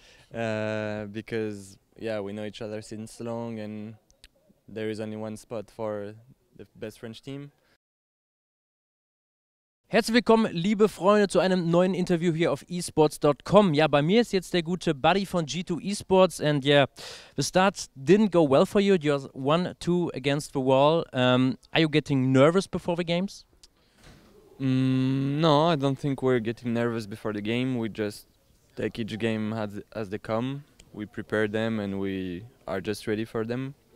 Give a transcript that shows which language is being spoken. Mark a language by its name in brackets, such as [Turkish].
[English] Because yeah, we know each other since long, and there is only one spot for the best French team. [German] Herzlich willkommen, liebe Freunde, zu einem neuen Interview hier auf esports.com. Ja, bei mir ist jetzt der gute Buddy von G2 Esports. [English] And yeah, the start didn't go well for you. You're 1-2 against the wall. Are you getting nervous before the games? No, I don't think we're getting nervous before the game. We just take each game as they come. We prepare them and we are just ready for them.